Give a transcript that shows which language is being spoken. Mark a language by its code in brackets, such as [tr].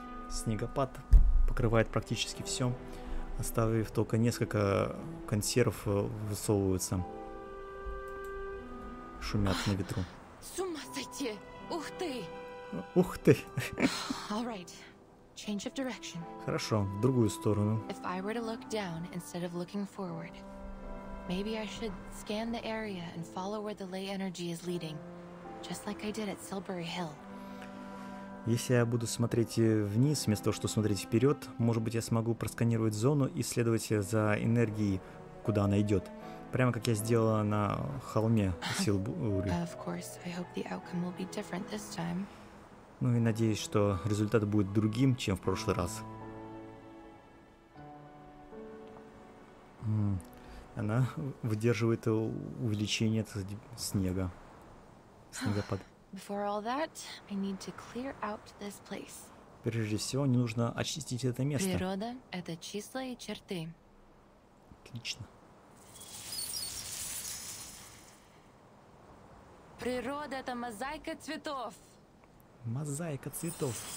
[ru] Снегопад покрывает практически все, оставив только несколько консервов высовываются. Шумят на ветру. С ума сойти! Ух ты! Ух ты! [en] All right. Change of direction. [ru] Хорошо, в другую сторону. [en] If I were to look down instead of looking forward, maybe I should scan the area and follow where the ley energy is leading, just like I did at Silbury Hill. [ru] Если я буду смотреть вниз, вместо того, чтобы смотреть вперед, может быть, я смогу просканировать зону и следовать за энергией, куда она идет. Прямо как я сделала на холме Силбури. [en] Of course, I hope the outcome will be different this time. [ru] Ну и надеюсь, что результат будет другим, чем в прошлый раз. Она выдерживает увеличение снега. Снегопад. [en] Before all that, I need to clear out this place. [ru] Прежде всего, мне нужно очистить это место. Природа — это числа и черты. Отлично. Природа — это мозаика цветов. Мозаика цветов.